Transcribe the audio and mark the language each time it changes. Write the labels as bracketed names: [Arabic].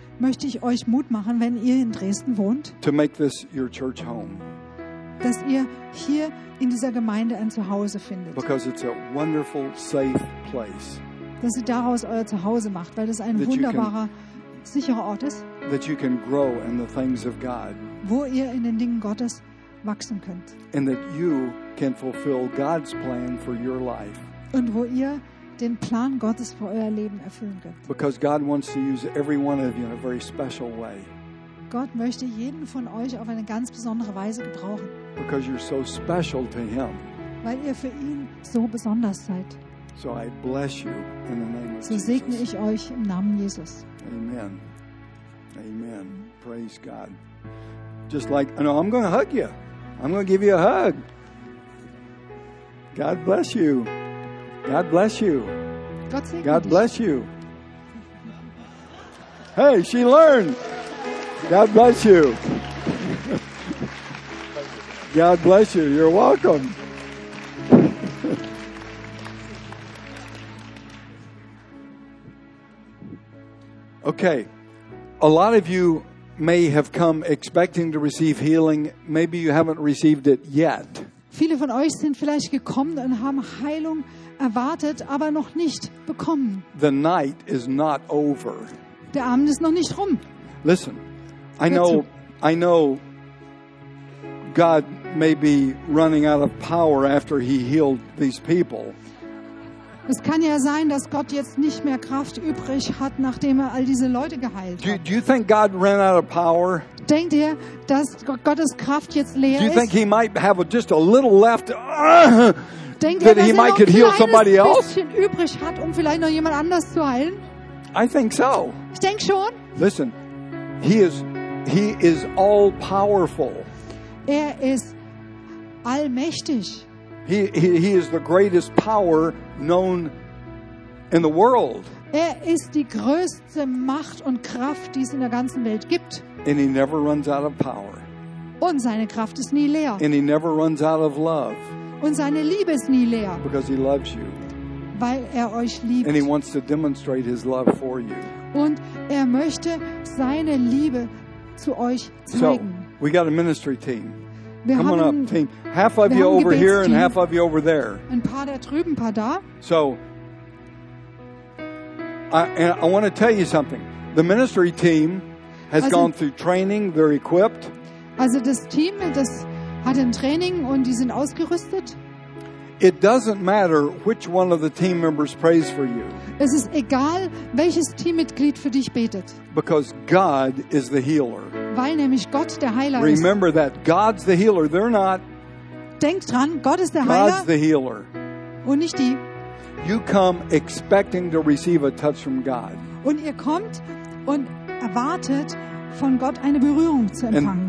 [German] Möchte ich euch Mut machen, wenn ihr in Dresden wohnt? [English] To make this your church home. [German] Dass ihr hier in dieser Gemeinde ein Zuhause findet. [English] Because it's a wonderful safe place. [German] Dass ihr daraus euer Zuhause macht, weil das ein wunderbarer sicherer Ort ist. [English] That you can grow in the things of God. [German] Wo ihr in den Dingen Gottes wachsen könnt. [English] And that you can fulfill God's plan for your life. [German] Und wo ihr den Plan Gottes für euer Leben erfüllen könnt. [English] Because God wants to use every one of you in a very special way. [German] Gott möchte jeden von euch auf eine ganz besondere Weise gebrauchen. [English] Because you're so special to him. [German] Weil ihr für ihn so besonders seid. [English] So I bless you in the name of Jesus. [German] So segne ich euch im Namen Jesus. [English] Amen. Amen. Praise God. Just like, no, I'm going to hug you. I'm going to give you a hug. God bless you. God bless you. God bless you. Hey, she learned. God bless you. God bless you. You're welcome. Okay. A lot of you may have come expecting to receive healing. Maybe you haven't received it yet. [German] Viele von euch sind vielleicht gekommen und haben Heilung erwartet, aber noch nicht bekommen. [English] The night is not over. [German] Der Abend ist noch nicht rum. [English] Listen, I know God may be running out of power after he healed these people. [German] Es kann ja sein, dass Gott jetzt nicht mehr Kraft übrig hat, nachdem er all diese Leute geheilt hat. [English] Do you think God ran out of power? [German] Denkt ihr, dass Gottes Kraft jetzt leer ist? [English] Do you think he might have just a little left? [German] Denkt ihr, dass er noch ein kleines bisschen übrig hat, um vielleicht noch jemand anders zu heilen? [English] I think so. [German] Ich denke schon. [English] Listen, he is all powerful. [German] Er ist allmächtig. [English] He is the greatest power known in the world. [German] Er ist die größte Macht und Kraft, die es in der ganzen Welt gibt. [English] And he never runs out of power. [German] Und seine Kraft ist nie leer. [English] And he never runs out of love. [German] Und seine Liebe ist nie leer. [English] Because he loves you. [German] Weil er euch liebt. [English] And he wants to demonstrate his love for you. [German] Und er möchte seine Liebe zu euch zeigen. [English] So, we got a ministry team. [German] Wir [English] Come on up, team. Half of you over here and half of you over there. [German] Ein paar da drüben, ein paar da. [English] So, I want to tell you something. The ministry team has gone through training. They're equipped. [German] Also das Team, das hat ein Training und die sind ausgerüstet. [English] It doesn't matter which one of the team members prays for you. [German] Es ist egal, welches Teammitglied für dich betet. [English] Because God is the healer. [German] Weil nämlich Gott der Heiler ist. [English] Remember that God's the healer. They're not. [German] Denk dran, Gott ist der Heiler. [English] God's the healer. [German] Und nicht die. [English] You come expecting to receive a touch from God. [German] Und ihr kommt und erwartet von Gott eine Berührung zu empfangen.